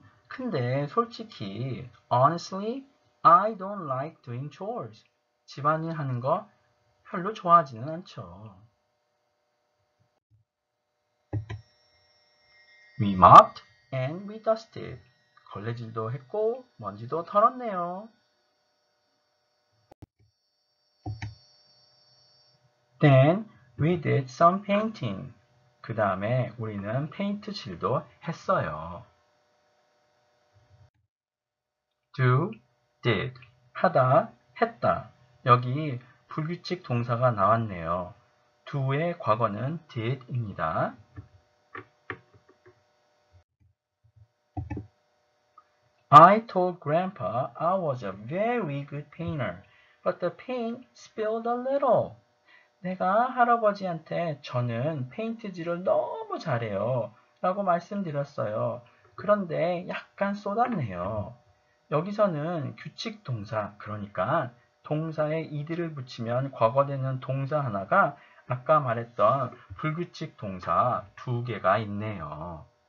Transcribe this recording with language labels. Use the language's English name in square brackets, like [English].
[Korean] 근데 솔직히 [English] honestly, I don't like doing chores. [Korean] 집안일 하는 거 별로 좋아하지는 않죠. [English] We mopped and we dusted. [Korean] 걸레질도 했고 먼지도 털었네요. [English] Then we did some painting. [Korean] 그 다음에 우리는 페인트칠도 했어요. [English] Do, did. [Korean] 하다, 했다. 여기 불규칙 동사가 나왔네요. Do의 과거는 did입니다. [English] I told Grandpa I was a very good painter, but the paint spilled a little. [Korean] 내가 할아버지한테 저는 페인트질을 너무 잘해요 라고 말씀드렸어요. 그런데 약간 쏟았네요. 여기서는 규칙 동사, 그러니까 동사에 이드를 붙이면 과거되는 동사 하나가 아까 말했던 불규칙 동사 두 개가 있네요.